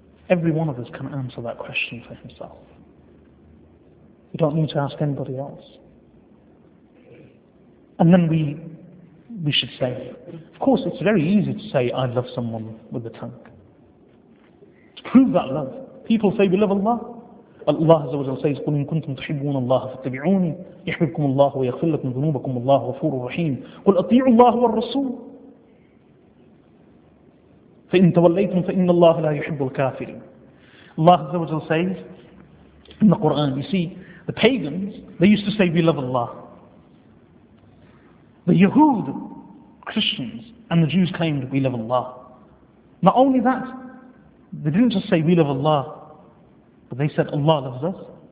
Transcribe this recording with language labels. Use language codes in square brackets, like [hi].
[en] Every one of us can answer that question for himself. We don't need to ask anybody else. And then we we should say. Of course, it's very easy to say, I love someone with the tongue. To prove that love. People say, we love Allah. Allah Azza wa Jalla says, [ar] قُلْ إِن كُنْتُمْ تُحِبُّونَ اللَّهَ فَاتَّبِعُونِي يَحْبِبْكُمُ اللَّهُ وَيَغْفِرْ لَكُمْ ذُنُوبَكُمْ وَاللَّهُ غَفُورٌ رَحِيمٌ قُلْ أَطِيعُوا اللَّهَ وَالرَّسُولَ فَإِن تَوَلَّيْتُمْ فَإِنَّ اللَّهَ لَا يُحِبُّ الْكَافِرِينَ. [en] Allah Azza wa Jalla says in the Quran, you see, the pagans, they used to say, we love Allah. The Yahud, Christians, and the Jews claimed, we love Allah. Not only that, they didn't just say, we love Allah, but they said, Allah loves us.